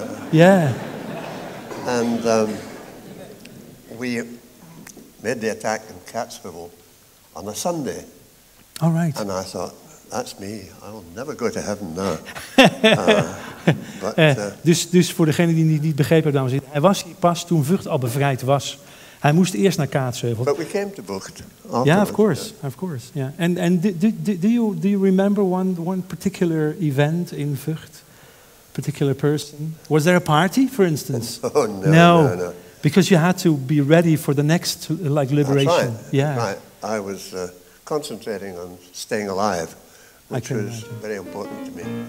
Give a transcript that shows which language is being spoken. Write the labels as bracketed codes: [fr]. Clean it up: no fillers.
[en] Yeah. And we made the attack in Katzhövel on a Sunday. All right. And I thought, that's me. I'll never go to heaven now. [nl] Dus voor degene die niet begrepen dames en heren, hij was hier pas toen Vught al bevrijd was. Hij moest eerst naar Kaatsheuvel. [en] But we came to Vught. Yeah, of course, yeah. Yeah. And do you remember one particular event in Vught? Particular person? Was there a party, for instance? No. Because you had to be ready for the next like liberation. That's right. Yeah. Right. I was concentrating on staying alive. Which was very important to me.